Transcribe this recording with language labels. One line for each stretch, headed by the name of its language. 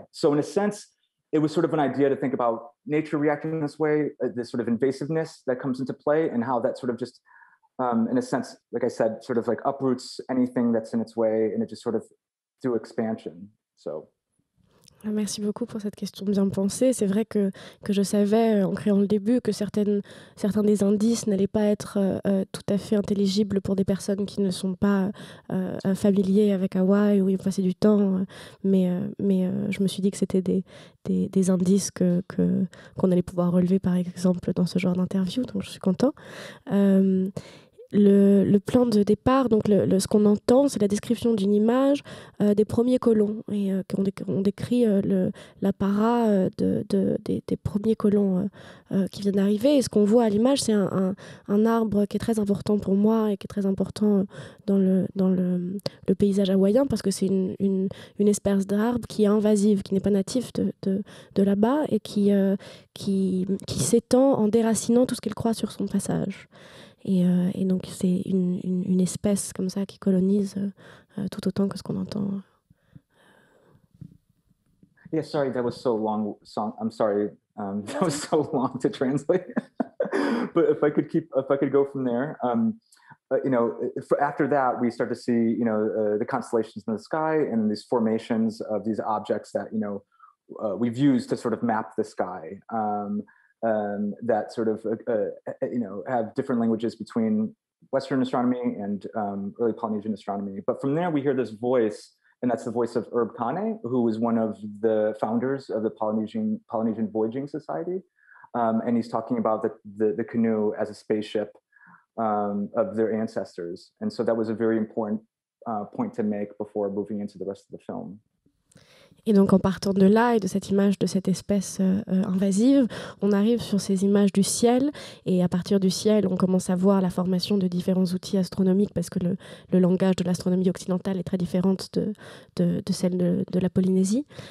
English: So in a sense, it was sort of an idea to think about nature reacting this way, this sort of invasiveness that comes into play, and how that sort of just, in a sense, like I said, sort of like uproots anything that's in its way, and it just sort of through expansion. So
French: Merci beaucoup pour cette question bien pensée. C'est vrai que je savais en créant le début que certains des indices n'allaient pas être tout à fait intelligibles pour des personnes qui ne sont pas familiers avec Hawaï où ils ont passé du temps. Mais je me suis dit que c'était des indices qu'on allait pouvoir relever, par exemple, dans ce genre d'interview. Donc, je suis contente. Le plan de départ, donc ce qu'on entend, c'est la description d'une image des premiers colons et qu'on décrit l'apparat des premiers colons qui viennent d'arriver. Et ce qu'on voit à l'image, c'est un arbre qui est très important pour moi et qui est très important dans le paysage hawaïen parce que c'est une espèce d'arbre qui est invasive, qui n'est pas natif de là-bas et qui s'étend en déracinant tout ce qu'il croit sur son passage. Et donc c'est une espèce comme ça qui colonise tout autant que ce qu'on entend.
English: Yeah, sorry, that was so long. So I'm sorry, that was so long to translate. But if I could go from there, you know, after that, we start to see, you know, the constellations in the sky and these formations of these objects that, you know, we've used to sort of map the sky. That sort of, you know, have different languages between Western astronomy and early Polynesian astronomy. But from there, we hear this voice, and that's the voice of Herb Kane, who was one of the founders of the Polynesian Voyaging Society. And he's talking about the canoe as a spaceship of their ancestors. And so that was a very important point to make before moving into the rest of the film.
French: Et donc en partant de là et de cette image de cette espèce invasive, on arrive sur ces images du ciel et à partir du ciel, on commence à voir la formation de différents outils astronomiques parce que le langage de l'astronomie occidentale est très différent de celle de la Polynésie.